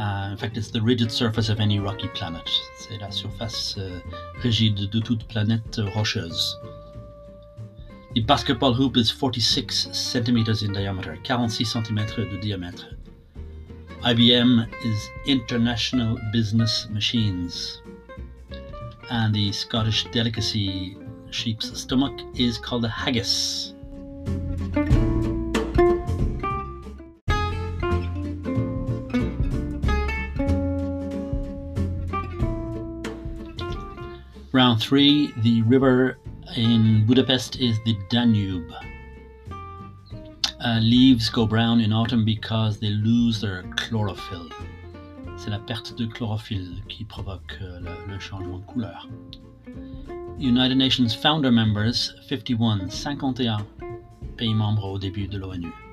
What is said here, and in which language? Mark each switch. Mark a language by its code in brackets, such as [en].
[en] In fact, it's the rigid surface of any rocky planet. [fr] C'est la surface rigide de toute planète rocheuse. [en] The basketball hoop is 46 centimeters in diameter, [fr] 46 centimètres de diamètre. [en] IBM is International Business Machines. And the Scottish delicacy sheep's stomach is called a haggis. Round 3, the river in Budapest is the Danube. Leaves go brown in autumn because they lose their chlorophyll. [fr] C'est la perte de chlorophylle qui provoque le changement de couleur. [en] United Nations founder members, [fr] 51 pays membres au début de l'ONU.